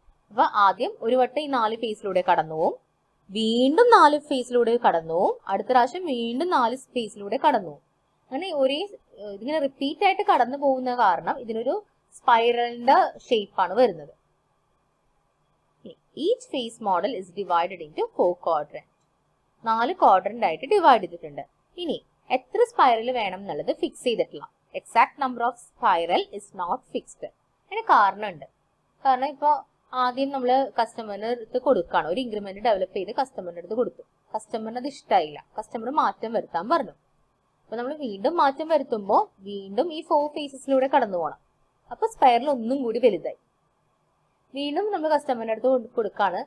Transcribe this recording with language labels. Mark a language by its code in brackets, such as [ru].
[ml] അപ്പൊ ആദ്യം ഒരു വട്ടം ഈ നാല് ഫേസിലൂടെ കടന്നുപോകും, വീണ്ടും നാല് ഫേസിലൂടെ കടന്നുപോകും, അടുത്ത പ്രാവശ്യം വീണ്ടും നാല് ഫേസിലൂടെ കടന്നുപോകും. അങ്ങനെ ഒരേ ഇങ്ങനെ റിപ്പീറ്റ് ആയിട്ട് കടന്നു പോകുന്ന കാരണം ഇതിനൊരു സ്പൈറലിന്റെ ഷേപ്പാണ് വരുന്നത്. [en] Each phase model is divided into four quadrants. [ml] നാല് quadrant ആയിട്ട് ഡിവൈഡ് ചെയ്തിട്ടുണ്ട്. ഇനി എത്ര spiral വേണം എന്നുള്ളത് ഫിക്സ് ചെയ്തിട്ടില്ല. [en] Exact number of spiral is not fixed. [ml] അതിന് കാരണമുണ്ട്. കാരണം ഇപ്പോൾ ആദ്യം നമ്മൾ കസ്റ്റമറിനടുത്ത് കൊടുക്കുകയാണ്, ഒരു ഇൻക്രിമെന്റ് ഡെവലപ്പ് ചെയ്ത് കസ്റ്റമറിനടുത്ത് കൊടുത്തു. കസ്റ്റമറിന് അത് ഇഷ്ടമായില്ല, കസ്റ്റമർ മാറ്റം വരുത്താൻ പറഞ്ഞു. അപ്പോൾ നമ്മൾ വീണ്ടും മാറ്റം വരുത്തുമ്പോൾ വീണ്ടും ഈ ഫോർ ഫേസസിലൂടെ കടന്നു പോകണം. അപ്പോൾ spiral ഒന്നും കൂടി വലുതായി. വീണ്ടും നമ്മൾ കസ്റ്റമറിന് അടുത്ത് കൊടുക്കുകയാണ്.